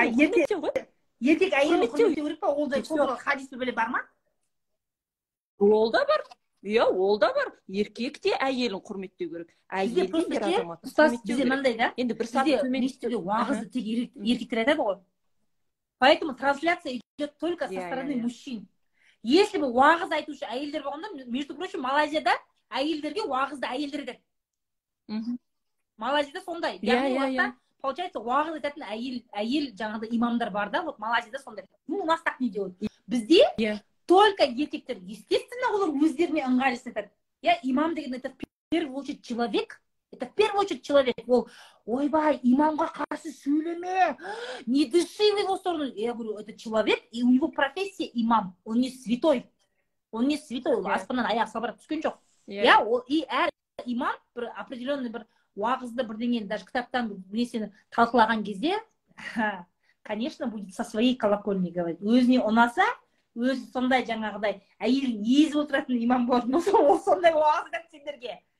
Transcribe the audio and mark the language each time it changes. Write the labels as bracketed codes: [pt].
[kk] құрметтеу ғой. Еркек әйелін құрметтеу керек па? Ол да сондай хадис бөлі бар ма? Ол да бар. Иә, ол да бар. Еркек те әйелін құрметтеу керек. Енді бір сәті төмен істеуге уағызды тек еркектер айтады ғой. [ru] Поэтому трансляция идет только со стороны мужчин. [kk] Если бы уағыз айтушы әйелдер болғанда, [ru] между прочим, [kk] Малайзияда әйелдерге уағызды әйелдер айтады. Малайзияда сондай. Яғни оларда получается уағыз айтатын әйел жаңағы имамдар бар да, вот Малайзияда сондай. [ru] Ну, у нас так не делают. [kk] Бізде только еркектер, естественно, олар өздеріне ыңғайлысын айтады. Я имам деген [ru] это в первую очередь человек. Это в первую очередь человек. [kk] Ол, ойбай, имамға қарсы сөйлеме. [ru] Не дыши в его сторону. Я говорю, это человек, и у него профессия имам. Он не святой. Он не святой. [kk] Ол аспаннан аяқ салбырап түскен жоқ. Я, и әр имам бір определенный бір уағызды бірдеңе, даже кітаптан несені талқылаған кезде, конечно, [ru] будет со своей колокольни говорить. [kk] Өзіне ұнаса, өзі сондай жаңағыдай, әйелін езіп отыратын имам болатын болса, ол сондай уағыз айтады сендерге.